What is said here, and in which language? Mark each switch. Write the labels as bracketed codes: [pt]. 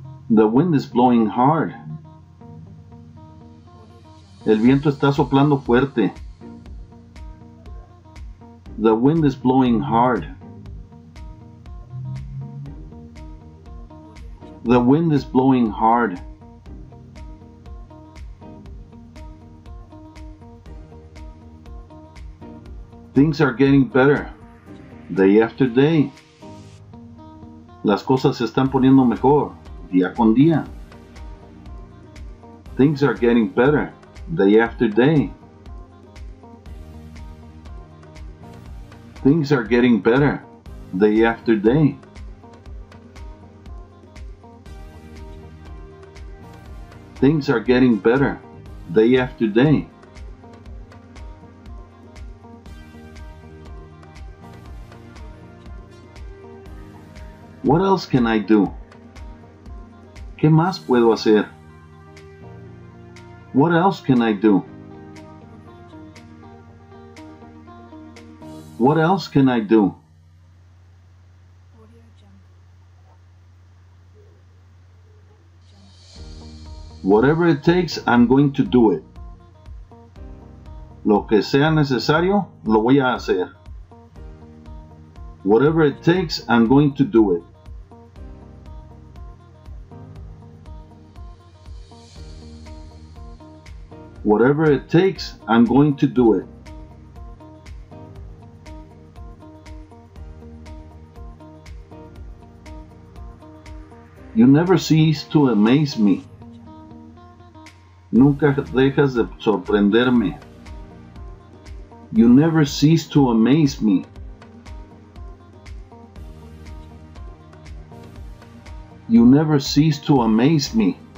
[en] The wind is blowing hard. [es] El viento está soplando fuerte. [en] The wind is blowing hard. The wind is blowing hard. Things are getting better day after day. [es] Las cosas se están poniendo mejor día con día. [en] Things are getting better day after day. Things are getting better day after day. Things are getting better day after day. What else can I do? [es] ¿Qué más puedo hacer? [en] What else can I do? What else can I do? Whatever it takes, I'm going to do it. [es] Lo que sea necesario, lo voy a hacer. [en] Whatever it takes, I'm going to do it. Whatever it takes, I'm going to do it. You never cease to amaze me. [es] Nunca dejas de sorprenderme. [en] You never cease to amaze me. You never cease to amaze me.